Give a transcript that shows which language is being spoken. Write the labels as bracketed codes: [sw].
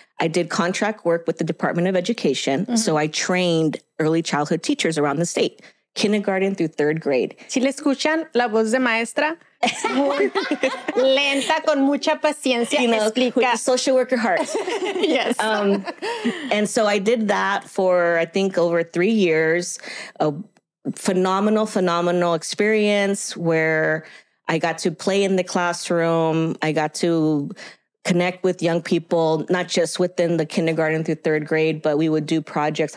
[en] I did contract work with the Department of Education. Mm-hmm. So I trained early childhood teachers around the state, kindergarten through third grade. [es] Si le escuchan la voz de maestra, lenta, con mucha paciencia, [en] you know, [es] explica. [en] Social worker heart. Yes. And so I did that for, I think, over 3 years. Phenomenal experience where I got to play in the classroom. I got to connect with young people, not just within the kindergarten through third grade, but we would do projects.